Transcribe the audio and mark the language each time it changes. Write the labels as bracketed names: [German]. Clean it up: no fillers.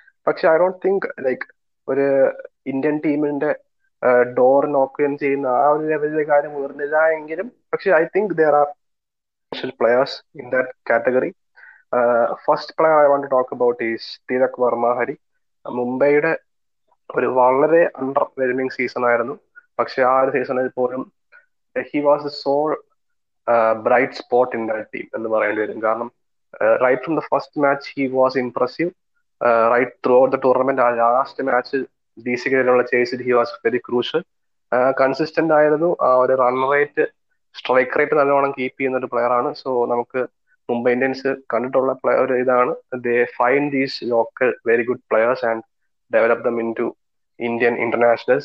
[Malayalam] പക്ഷെ I don't think like ഒരു Indian ടീമിന്റെ ഡോർ നോക്കുകയും ചെയ്യുന്ന ആ ഒരു ലെവലിലെ കാര്യം ഉയർന്നില്ല എങ്കിലും, പക്ഷെ [English] I think there are special players in that category. [Malayalam] First player I won't talk about is Tilak Varma. Hari, മുംബൈയുടെ ഒരു വളരെ അണ്ടർ വെൽമിങ് സീസൺ ആയിരുന്നു. പക്ഷെ ആ ഒരു സീസണിൽ പോലും he was A soul bright spot in that team എന്ന് പറയേണ്ടി വരും. കാരണം [English] right from the first match he was impressive, right throughout the tournament. Our last match DC ഗ്രേനുള്ള ചേസിൽ he was very crucial. [Malayalam] Consistent ആയിരുന്നു, ആ ഒരു റൺ റേറ്റ് സ്ട്രൈക്ക് റേറ്റ് നല്ലോണം keep ചെയ്യുന്ന ഒരു പ്ലെയർ ആണ്. സോ നമുക്ക് മുംബൈ ഇന്ത്യൻസ് കണ്ടിട്ടുള്ള പ്ലെയർ ഇതാണ്. They find these local very good players and develop them in to Indian international.